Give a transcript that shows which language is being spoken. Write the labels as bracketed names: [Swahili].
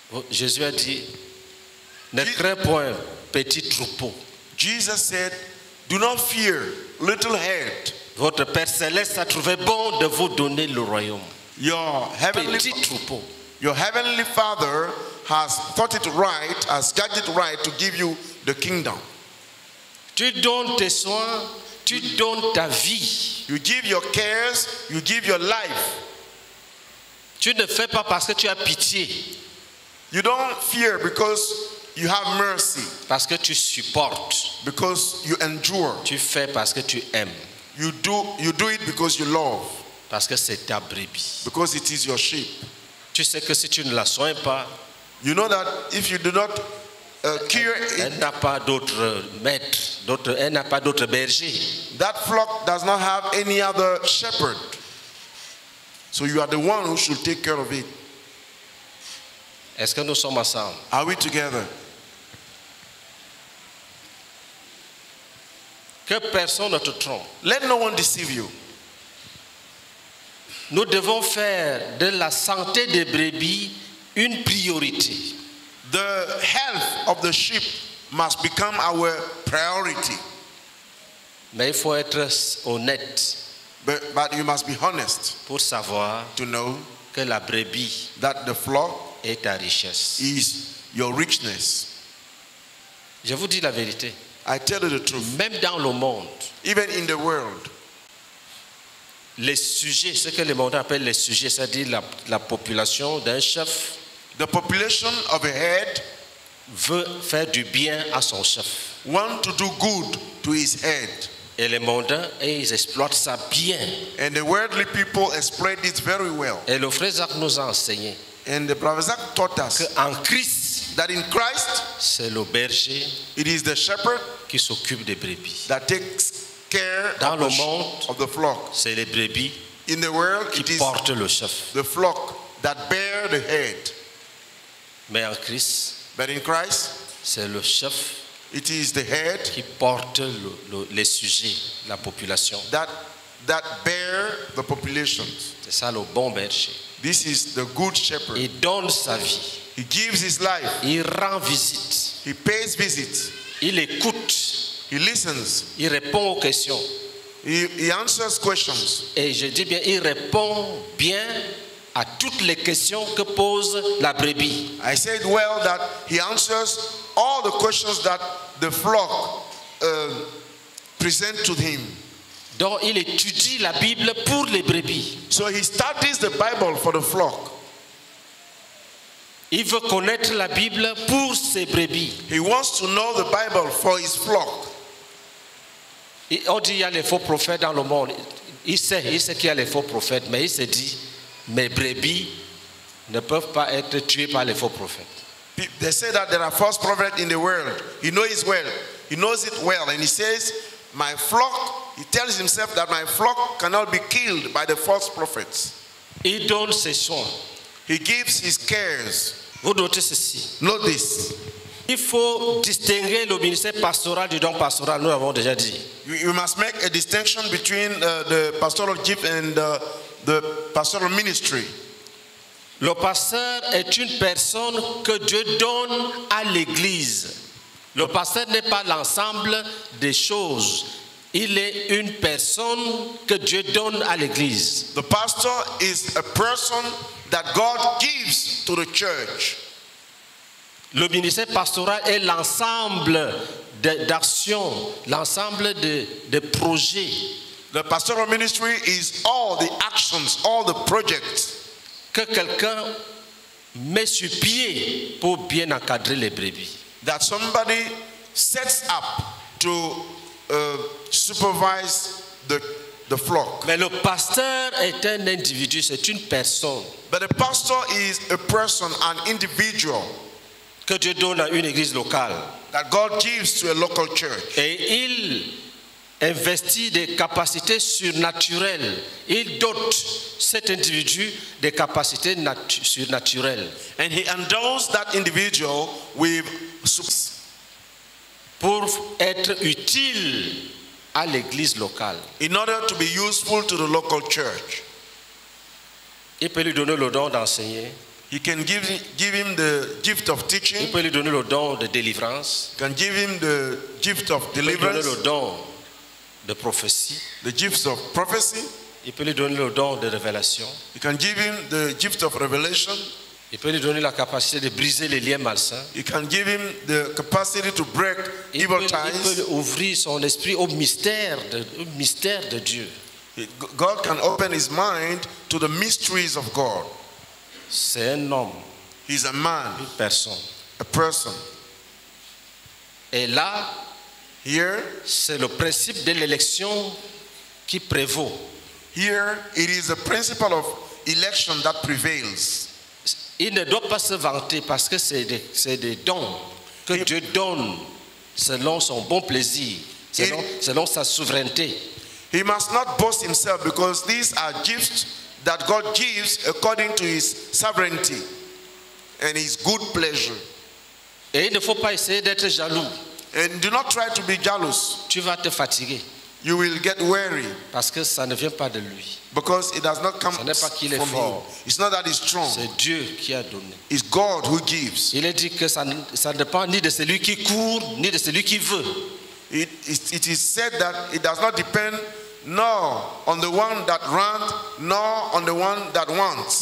[French] Jésus a dit, ne crains pas un petit troupeau. [English] Jesus said, do not fear little herd. [French] Votre Père céleste a trouvé bon de vous donner le royaume. [English] Your heavenly [French] petit troupeau. [English] Your heavenly Father has thought it right, has judged it right to give you the kingdom. [French] Tu donnes tes soins, tu donnes ta vie. [English] You give your cares, you give your life. [French] Tu ne fais pas parce que tu as pitié. [English] You don't fear because you have mercy. [French] Parce que tu supportes. [English] Because you endure. [French] Tu fais parce que tu aimes. [English] You do it because you love. [French] Parce que c'est ta brebis. [English] Because it is your sheep. [French] Tu sais que si tu ne la soignes pas, [English] you know that if you do not cure it, [French] elle n'a pas d'autre maître, d'autre, elle n'a pas d'autre berger. [English] That flock does not have any other shepherd. So you are the one who should take care of it. [French] Est-ce que nous sommes ensemble? [English] Are we together? [French] Que personne ne te trompe. [English] Let no one deceive you. [French] Nous devons faire de la santé des brebis une priorité. [English] The health of the sheep must become our priority. [French] Mais il faut être honnête. [English] But you must be honest. [French] Pour savoir, [English] to know [French] que la brebis, [English] that the flock [French] est ta richesse, [English] is your richness. [French] Je vous dis la vérité. [English] I tell you the truth. [French] Même dans le monde, [English] even in the world, [French] les sujets, ce que les mondains appellent les sujets, c'est-à-dire la population d'un chef, [English] the population of a head, [French] veut faire du bien à son chef, [English] want to do good to his head. [French] Et les mondains, et ils exploitent ça bien. [English] And the worldly people exploit it very well. [French] Et le frère Zach nous a enseigné. [English] And the brother Zach taught us. [French] Que en Christ, [English] that in Christ, [French] c'est le berger, [English] it is the shepherd, [French] qui s'occupe des brebis. [English] That takes care [French] dans [English] of [French] le [English] the [French] monde, [English] of the flock. [French] C'est les brebis. [English] In the world, [French] qui [English] it is [French] porte le chef. [English] The flock that bear the head. [French] Mais en Christ, [English] but in Christ, [French] c'est le chef. [English] It is the head [French] qui porte les sujets, la population. [English] That bear the population. [French] C'est ça le bon berger. [English] This is the good shepherd. [French] Il donne sa vie. [English] He gives his life. [French] Il rend visite. [English] He pays visit. [French] Il écoute. [English] He listens. [French] Il répond aux questions. [English] He answers questions. [French] Et je dis bien, il répond bien à toutes les questions que pose la brebis. [English] I said well that he answers all the questions that the flock present to him. [French] Donc il étudie la Bible pour les brebis. [English] So he studies the Bible for the flock. [French] Il veut connaître la Bible pour ses brebis. [English] He wants to know the Bible for his flock. [French] Et on dit il y a les faux prophètes dans le monde. Il sait qu'il y a les faux prophètes, mais il se dit mes brebis ne peuvent pas être tuées par les faux prophètes. [English] They say that there are false prophets in the world. He knows it well. He knows it well. And he says, my flock, he tells himself that my flock cannot be killed by the false prophets. [French] Il donne ses soins. [English] He gives his cares. [French] Vous notez ceci. [English] Note this. [French] Il faut distinguer le ministère pastoral du don pastoral. Nous avons déjà dit. [English] You must make a distinction between the pastoral gift and the pastoral ministry. [French] Le pasteur est une personne que Dieu donne à l'Église. Le pasteur n'est pas l'ensemble des choses Il est une personne que Dieu donne à l'église. [English] The pastor is a person that God gives to the church. [French] Le ministère pastoral est l'ensemble d'actions, l'ensemble de projets. [English] The pastoral ministry is all the actions, all the projects. [French] Que quelqu'un met sur pied pour bien encadrer les brebis. [English] That somebody sets up to supervise the flock. [French] Mais le pasteur est un individu, c'est une personne. [English] But a pastor is a person, an individual. [French] Que Dieu donne à une église locale. [English] That God gives to a local church. [French] Et il investit des capacités surnaturelles. Il dote cet individu des capacités surnaturelles. [English] And he endows that individual with [French] pour être utile à l'église locale. [English] In order to be useful to the local church. [French] Il peut lui donner le don d'enseigner. [English] He can give him the gift of teaching. [French] Il peut lui donner le don de délivrance. [English] Can give him the gift of deliverance. [French] Il peut lui donner le don de prophétie, [English] the gifts of prophecy. [French] Il peut lui donner le don de révélation. [English] He can give him the gift of revelation. [French] Il peut lui donner la capacité de briser les liens malsains. [English] He can give him the capacity to break evil ties. [French] Il peut ouvrir son esprit au mystère de Dieu. [English] God can open his mind to the mysteries of God. [French] C'est un homme. [English] He's a man. [French] Une personne. [English] A person. [French] Et là. [English] Here, [French] c'est le principe de l'élection qui prévaut. [English] Here, it is the principle of election that prevails. [French] Il ne doit pas se vanter parce que c'est des dons que Dieu donne selon son bon plaisir, selon sa souveraineté. [English] He must not boast himself because these are gifts that God gives according to his sovereignty and his good pleasure. [French] Et il ne faut pas essayer d'être jaloux. [English] And do not try to be jealous. [French] Tu vas te fatiguer. [English] You will get weary. [French] Parce que ça ne vient pas de lui. [English] Because it does not come [French] ça n'est pas qu'il [English] from [French] est fort. [English] Him. It's not that he's strong. [French] C'est Dieu qui a donné. [English] It's God who gives. [French] Il est dit que ça ne dépend ni de celui qui court, ni de celui qui veut. [English] It is said that it does not depend nor on the one that runs, nor on the one that wants.